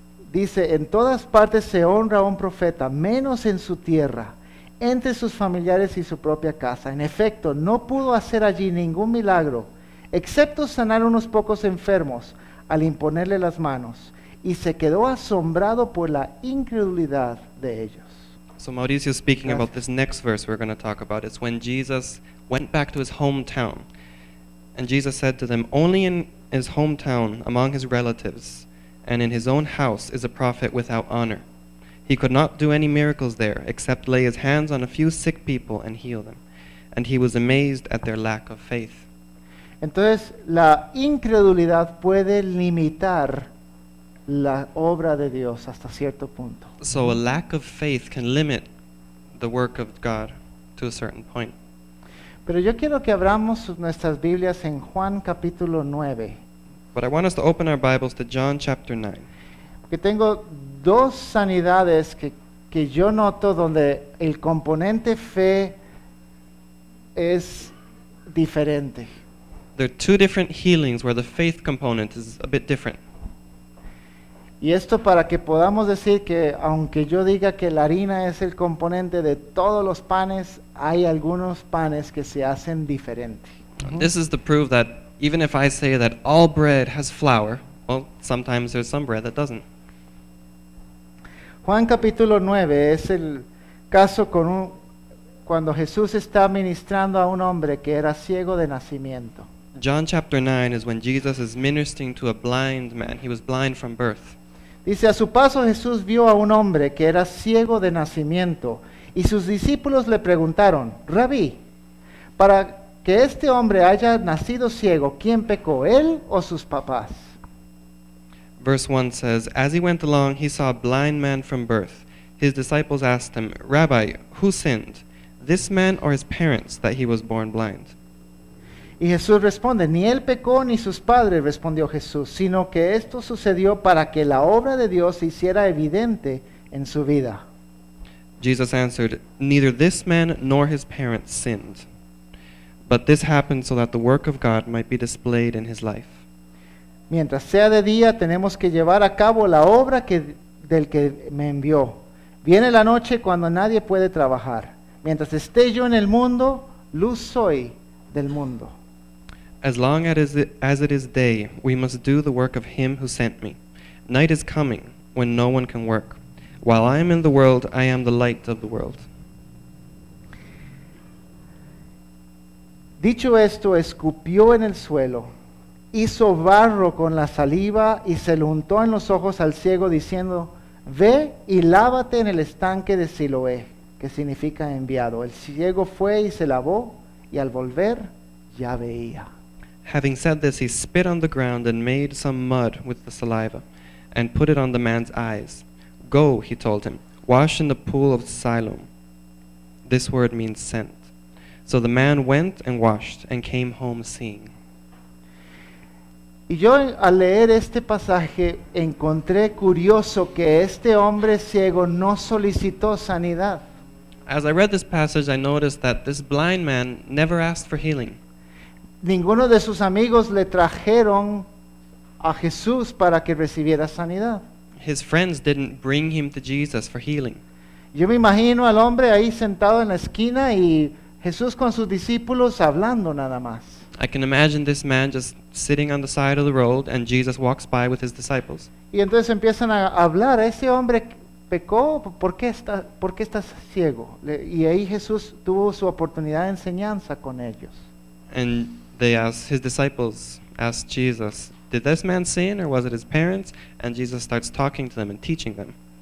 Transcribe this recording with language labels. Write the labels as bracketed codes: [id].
[es] Dice, en todas partes se honra a un profeta, menos en su tierra, entre sus familiares y su propia casa. En efecto, no pudo hacer allí ningún milagro, excepto sanar unos pocos enfermos al imponerle las manos. Y se quedó asombrado por la incredulidad de ellos. [en] So Mauricio is speaking about this next verse we're going to talk about. It's when Jesus went back to his hometown. And Jesus said to them, only in his hometown, among his relatives, and in his own house is a prophet without honor. He could not do any miracles there, except lay his hands on a few sick people and heal them. And he was amazed at their lack of faith. [es] Entonces, la incredulidad puede limitar la obra de Dios hasta cierto punto. [en] So a lack of faith can limit the work of God to a certain point. [es] Pero yo quiero que abramos nuestras Biblias en Juan capítulo 9. [en] But I want us to open our Bibles to John chapter 9. [es] Porque tengo dos sanidades que yo noto donde el componente fe es diferente. [en] There are two different healings where the faith component is a bit different. [es] Y esto para que podamos decir que aunque yo diga que la harina es el componente de todos los panes, hay algunos panes que se hacen diferente. [en] This is the proof that even if I say that all bread has flour, well, sometimes there's some bread that doesn't. [es] Juan capítulo 9 es el caso con un, cuando Jesús está ministrando a un hombre que era ciego de nacimiento. [en] John chapter 9 is when Jesus is ministering to a blind man. He was blind from birth. [es] Dice, a su paso Jesús vio a un hombre que era ciego de nacimiento, y sus discípulos le preguntaron, Rabí, para que este hombre haya nacido ciego, ¿quién pecó, él o sus papás? [en] Verse 1 says, as he went along, he saw a blind man from birth. His disciples asked him, Rabbi, who sinned, this man or his parents, that he was born blind? [es] Y Jesús responde, ni él pecó ni sus padres, respondió Jesús, sino que esto sucedió para que la obra de Dios se hiciera evidente en su vida. [en] Jesus answered, neither this man nor his parents sinned, but this happened so that the work of God might be displayed in his life. [es] Mientras sea de día, tenemos que llevar a cabo la obra que, del que me envió. Viene la noche cuando nadie puede trabajar. Mientras esté yo en el mundo, luz soy del mundo. [en] As long as it is day, we must do the work of him who sent me. Night is coming when no one can work. While I am in the world, I am the light of the world. [es] Dicho esto, escupió en el suelo, hizo barro con la saliva y se lo untó en los ojos al ciego diciendo, ve y lávate en el estanque de Siloé, que significa enviado. El ciego fue y se lavó y al volver ya veía. [en] Having said this, he spit on the ground and made some mud with the saliva and put it on the man's eyes. Go, he told him, wash in the pool of Siloam. This word means sent. So the man went and washed and came home seeing. [es] Y yo al leer este pasaje encontré curioso que este hombre ciego no solicitó sanidad. [en] As I read this passage, I noticed that this blind man never asked for healing. [es] Ninguno de sus amigos le trajeron a Jesús para que recibiera sanidad. [en] His friends didn't bring him to Jesus for healing. [es] Yo me imagino al hombre ahí sentado en la esquina y Jesús con sus discípulos hablando nada más. [en] I can imagine this man just sitting on the side of the road and Jesus walks by with his disciples. [es] Y entonces empiezan a hablar, ese hombre pecó, ¿por qué estás ciego? Y ahí Jesús tuvo su oportunidad de enseñanza con ellos. [en] And they asked, his disciples asked Jesus, did this man sin or was it his parents? And Jesus starts talking to them and teaching them.